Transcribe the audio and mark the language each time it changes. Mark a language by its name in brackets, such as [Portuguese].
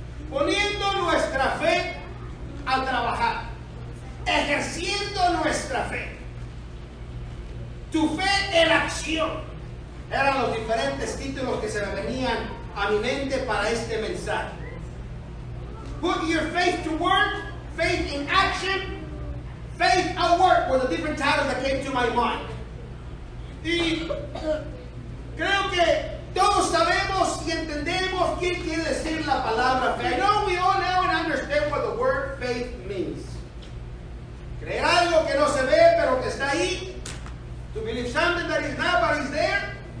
[Spanish] Poniendo nuestra fe a trabajar, ejerciendo nuestra fe, tu fe en acción, eran los diferentes títulos que se me venían a mi mente para este mensaje. [English] Put your faith to work, faith in action, faith at work were the different titles that came to my mind. [Spanish] Y creo que todos sabemos y entendemos qué quiere decir la palabra fe. [English] I know we all know and understand what the word faith means. [Spanish] Creer algo que no se ve, pero que está ahí. [English] To believe something that is not, but is there.